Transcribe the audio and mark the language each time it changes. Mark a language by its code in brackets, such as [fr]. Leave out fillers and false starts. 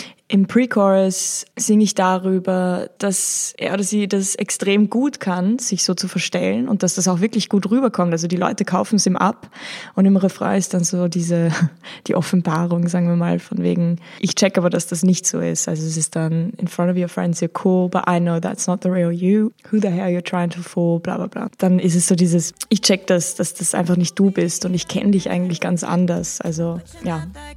[de] Im Pre-Chorus singe ich darüber, dass er oder sie das extrem gut kann, sich so zu verstellen und dass das auch wirklich gut rüberkommt. Also die Leute kaufen es ihm ab und im Refrain ist dann so die Offenbarung, sagen wir mal, von wegen, ich check aber, dass das nicht so ist. Also es ist dann, [en] in front of your friends, you're cool, but I know that's not the real you. Who the hell you're trying to fool, bla bla bla. [de] Dann ist es so dieses, ich check das, dass das einfach nicht du bist und ich kenne dich eigentlich ganz anders. Also, ja.